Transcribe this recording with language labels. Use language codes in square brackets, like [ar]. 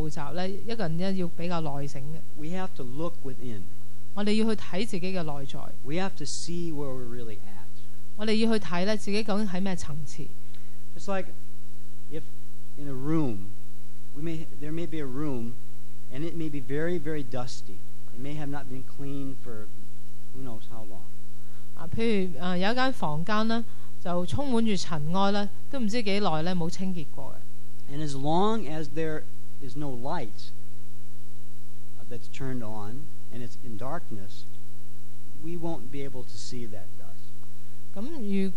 [zh] 要做到这个步骤,一个人要比较内省。 [en] We have to look within. [zh] 我们要去看自己的内在。 [en] We have to see where we're really at. [zh] 我们要去看自己究竟在什么层次。 [en] It's like if in a room, there may be a room, and it may be very, very dusty. It may have not been cleaned for who knows how long. [zh] 譬如有一间房间,就充满着尘埃,都不知多久没有清洁过。 [en] And as long as there is no light that's turned on and it's in darkness, we won't be able to see that dust.